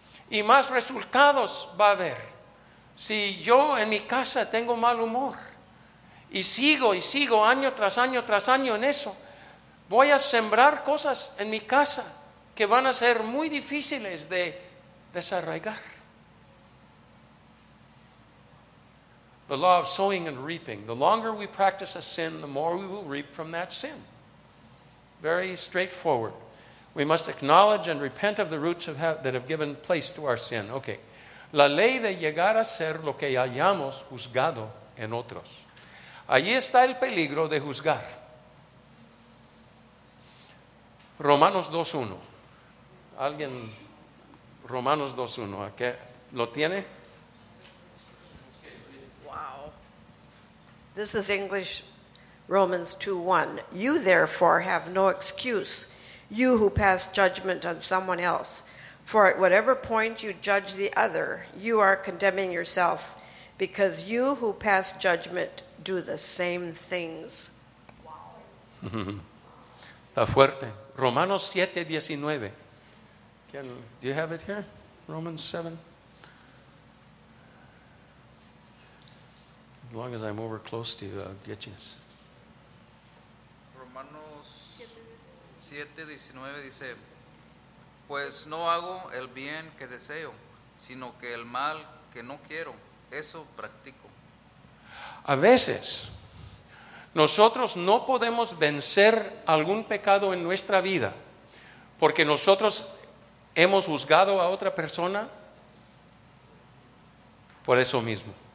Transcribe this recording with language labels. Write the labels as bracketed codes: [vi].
[es] Y más resultados va a haber. Si yo en mi casa tengo mal humor y sigo año tras año tras año en eso, voy a sembrar cosas en mi casa que van a ser muy difíciles de desarraigar. [en] The law of sowing and reaping. The longer we practice a sin, the more we will reap from that sin. Very straightforward. We must acknowledge and repent of the roots of that have given place to our sin. Okay. [es] La ley de llegar a ser lo que hayamos juzgado en otros. Allí está el peligro de juzgar. Romanos 2:1. ¿Alguien? Romanos 2:1. ¿A qué? ¿Lo tiene? [en] Wow. This is English. Romans 2:1. You therefore have no excuse, you who pass judgment on someone else. For at whatever point you judge the other, you are condemning yourself, because you who pass judgment do the same things. [es] Está fuerte. Romanos 7:19. [en] Do you have it here? Romans 7. As long as I'm over close to you, I'll get you. [es] Romanos 7:19 dice, pues no hago el bien que deseo, sino que el mal que no quiero, eso practico. A veces, nosotros no podemos vencer algún pecado en nuestra vida, porque nosotros hemos juzgado a otra persona por eso mismo.